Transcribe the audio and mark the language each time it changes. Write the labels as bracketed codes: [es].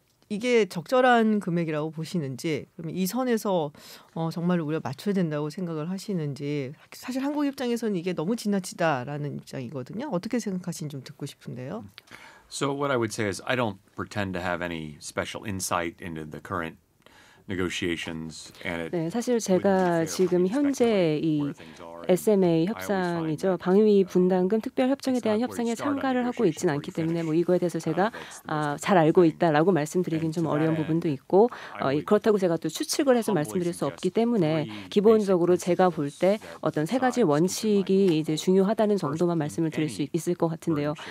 [ko] 이게 적절한 금액이라고 보시는지, 그러면 이 선에서 정말 우리가 맞춰야 된다고 생각을 하시는지, 사실 한국 입장에서는 이게 너무 지나치다라는 입장이거든요. 어떻게 생각하시는지 좀 듣고 싶은데요. [en] So what I would say is I don't pretend to have any special insight into the current negotiations and it [ko] 네, 사실 제가 지금 현재 이 SMA 협상이죠. 방위비 분담금 특별 협정에 대한 협상에 참가를 하고 있진 않기 때문에 뭐 이거에 대해서 제가 잘 알고 있다라고 말씀드리긴 좀 어려운 부분도 있고 그렇다고 제가 또 추측을 해서 말씀드릴 수 없기 때문에 기본적으로 제가 볼 때 어떤 세 가지 원칙이 이제 중요하다는 정도만 말씀을 드릴 수 있을 것 같은데요.